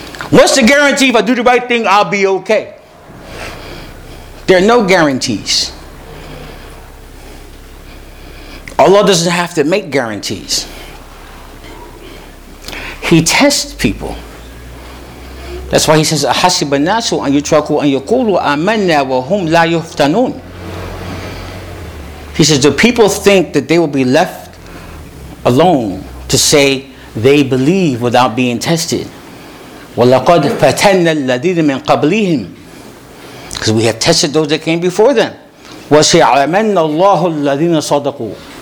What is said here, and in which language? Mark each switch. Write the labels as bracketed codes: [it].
[en] What's the guarantee if I do the right thing I'll be okay? There are no guarantees. Allah doesn't have to make guarantees. He tests people. That's why he says, [ar] أَحَسِبَ النَّاسُ أَنْ يُتْرَكُوا أَنْ يَقُولُوا آمَنَّا وَهُمْ لَا يُفْتَنُونَ. [en] He says, do people think that they will be left alone to say they believe without being tested? [ar] وَلَقَدْ فَتَنَّ الَّذِينَ مِنْ قَبْلِهِمْ, [en] because we have tested those that came before them. [ar] وَسَيَعْلَمَنَّ اللَّهُ الَّذِينَ صَدَقُوا.